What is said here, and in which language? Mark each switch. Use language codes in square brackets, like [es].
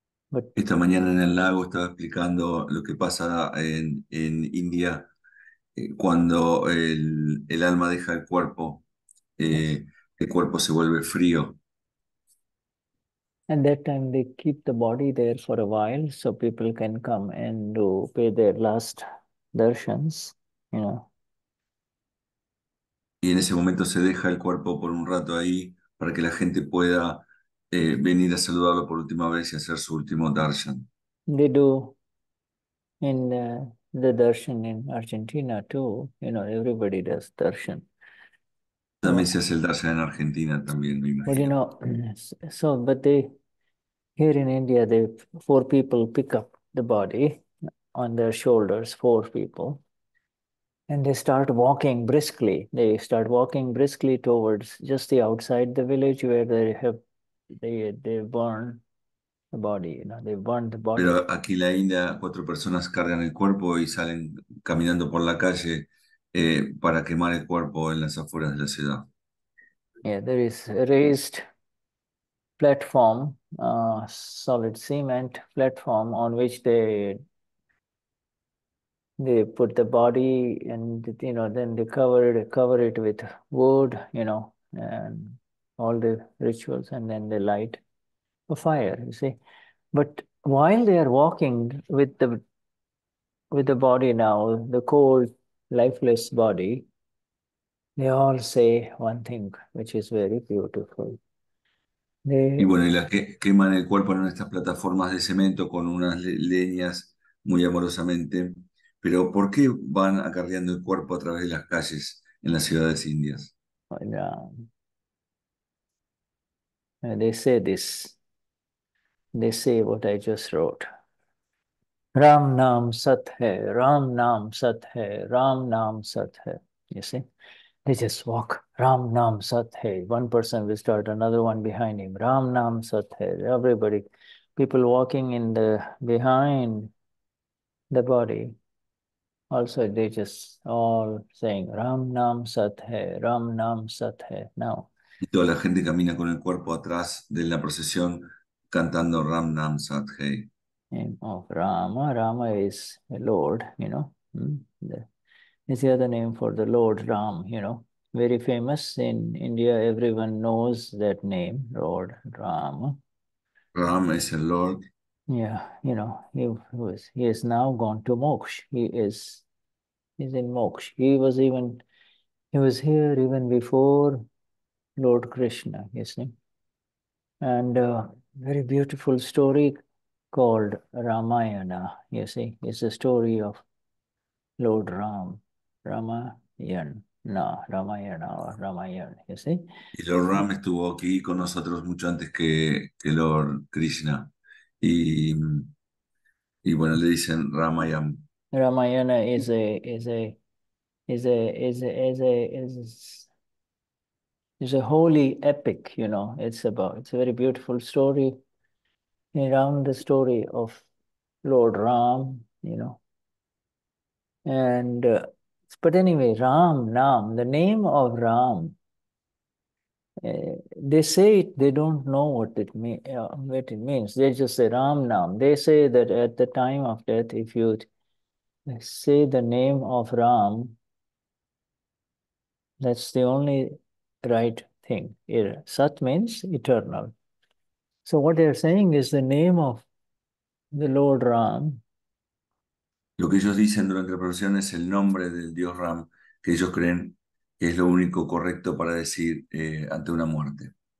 [en] But [es] esta mañana en el lago estaba explicando lo que pasa en India cuando el alma deja el cuerpo, el cuerpo se vuelve frío. [en] And that time they keep the body there for a while so people can come and do pay their last darshans, you know. [es] Y en ese momento se deja el cuerpo por un rato ahí para que la gente pueda venir a saludarlo por última vez y hacer su último darshan. [en] They do in the darshan in Argentina too, you know, everybody does darshan. [es] También se hace el darshan en Argentina también, me imagino. [en] But you know, so but they here in India they four people pick up the body on their shoulders, four people, and they start walking briskly. They start walking briskly towards just the outside the village where they have they burn the body, you know, they burn the body. [es] Pero aquí en la India, cuatro personas cargan el cuerpo y salen caminando por la calle para quemar el cuerpo en las afueras de la ciudad. [en] Yeah, there is a raised platform, solid cement platform on which they put the body and, you know, then they cover it with wood, you know, and all the rituals, and then they light a fire, you see. But while they are walking with the body now, the cold, lifeless body, they all say one thing, which is very beautiful. [es] Y bueno, y la que queman el cuerpo en estas plataformas de cemento con unas leñas muy amorosamente. Pero ¿por qué van acarreando el cuerpo a través de las calles en las ciudades indias? [en] They say this. They say what I just wrote. [hi] Ram Nam Sat Hai, Ram Nam Sat Hai, Ram Nam Sat Hai. [en] You see? They just walk. [hi] Ram Nam Sat Hai. [en] One person will start, another one behind him. [hi] Ram Nam Sat Hai. [en] Everybody, people walking in the behind the body. Also, they just all saying [hi] Ram Nam Sat Hai, Ram Nam Sat Hai. [en] Now. [es] Y toda la gente camina con el cuerpo atrás de la procesión cantando Ram Nam Sat Hai. [en] Name of Rama. Rama is the Lord, you know. It's the other name for the Lord Ram, you know. Very famous in India, everyone knows that name, Lord Rama. Ram is the Lord. Yeah, you know, he is now gone to Moksha. He's in Moksha. He was here even before Lord Krishna, you see. And a very beautiful story called Ramayana, you see. It's a story of Lord Ram, Ramayana or Ramayana, you see. [es] Y Lord Ram estuvo aquí con nosotros mucho antes que Lord Krishna. Y bueno, le dicen Ramayana. [en] Ramayana is a holy epic, you know. It's a very beautiful story around the story of Lord Ram, you know. And but anyway, Ram Nam, the name of Ram. They say it, they don't know what it means. They just say Ram Nam. They say that at the time of death, if you say the name of Ram, that's the only right thing. Sat means eternal. So what they're saying is the name of the Lord Ram. [es] Lo que ellos dicen durante la procesión es el nombre del Dios Ram, que ellos creen que es lo único correcto para decir ante una muerte.